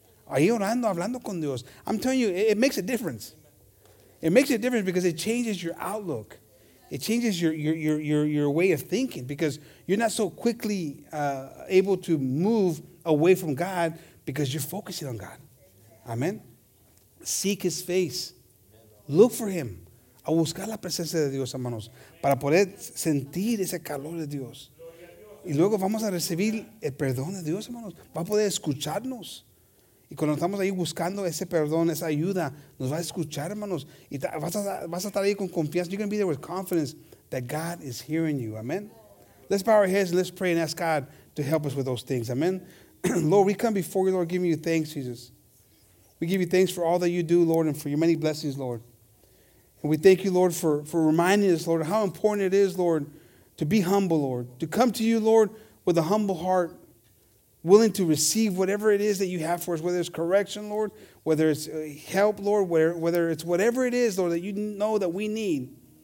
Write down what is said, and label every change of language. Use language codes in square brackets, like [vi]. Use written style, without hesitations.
[es] Ahí orando, hablando con Dios. [en] I'm telling you, it makes a difference. It makes a difference because it changes your outlook. It changes your way of thinking because you're not so quickly able to move away from God because you're focusing on God, amen. Seek His face. Look for Him. [es] A buscar la presencia de Dios, hermanos, para poder sentir ese calor de Dios. Y luego vamos a recibir el perdón de Dios, hermanos. Va a poder escucharnos. Y cuando estamos ahí buscando ese perdón, esa ayuda, nos va a escuchar, hermanos. Y vas a estar ahí con confianza. [en] You're going to be there with confidence that God is hearing you. Amen. Let's bow our heads and let's pray and ask God to help us with those things. Amen. Lord, we come before you, Lord, giving you thanks, Jesus. We give you thanks for all that you do, Lord, and for your many blessings, Lord. And we thank you, Lord, for reminding us, Lord, how important it is, Lord, to be humble, Lord, to come to you, Lord, with a humble heart, willing to receive whatever it is that you have for us, whether it's correction, Lord, whether it's help, Lord, whether it's whatever it is, Lord, that you know that we need.